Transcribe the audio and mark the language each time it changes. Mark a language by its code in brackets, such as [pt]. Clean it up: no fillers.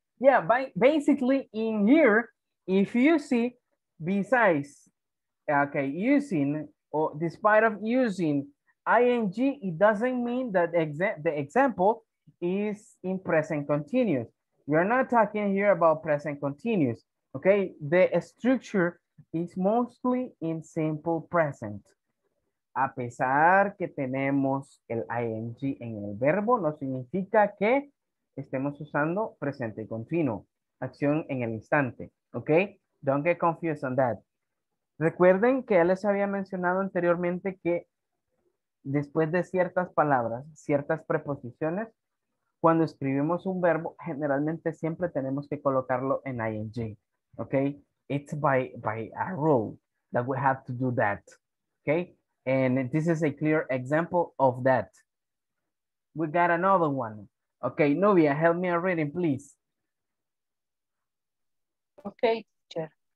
[en] Yeah, basically in here, if you see, besides, okay, using or despite of using ing, it doesn't mean that the example is in present continuous. You're not talking here about present continuous, okay? The structure is mostly in simple present. [es] A pesar que tenemos el ing en el verbo, no significa que estemos usando presente continuo, acción en el instante, ¿ok? [en] Don't get confused on that. [es] Recuerden que ya les había mencionado anteriormente que después de ciertas palabras, ciertas preposiciones, cuando escribimos un verbo, generalmente siempre tenemos que colocarlo en ing, ¿ok? [en] It's by a rule that we have to do that, ¿ok? And this is a clear example of that. We got another one. Okay, Nubia, help me a reading, please. Okay, teacher.